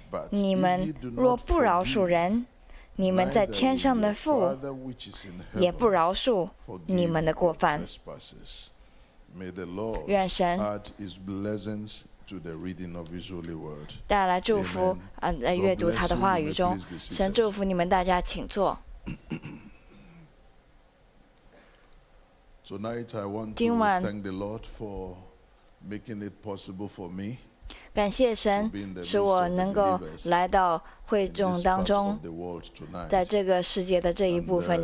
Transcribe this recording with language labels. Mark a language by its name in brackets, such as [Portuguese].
[Chinese] 你们若不饶恕人，你们在天上的父也不饶恕你们的过犯。 [English] May the Lord add His blessings to the reading of His holy word. [Chinese] 带来祝福啊，在阅读他的话语中，神祝福你们大家，请坐。 [English] Tonight I want to thank the Lord for making it possible for me. [Chinese] 感谢神使我能够来到会众当中，在这个世界的这一部分。